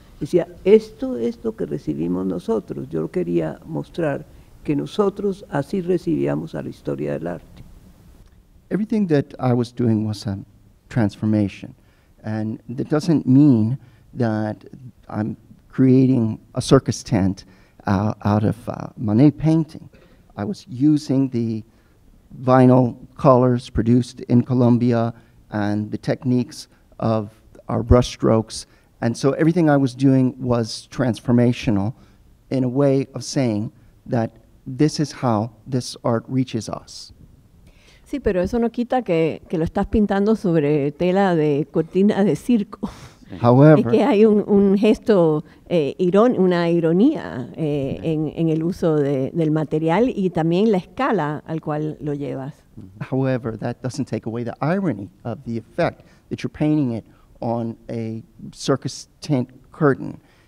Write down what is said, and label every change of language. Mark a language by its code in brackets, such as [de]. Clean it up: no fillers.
[es] Decía, esto es lo que recibimos nosotros. Yo quería mostrar que nosotros así recibíamos a la historia del arte. [en] Everything that I was doing was a transformation. And that doesn't mean that I'm creating a circus tent out of Manet painting. I was using the vinyl colors produced in Colombia and the techniques of our brush strokes. And so everything I was doing was transformational in a way of saying that this is how this art reaches us. [es] Sí, pero eso no quita que lo estás pintando sobre tela de cortina de circo. [en] However, [es] es que hay un gesto, una ironía en el uso del material y también la escala al cual lo llevas. [en] However, that doesn't take away the irony of the effect that you're painting it on a circus tent curtain.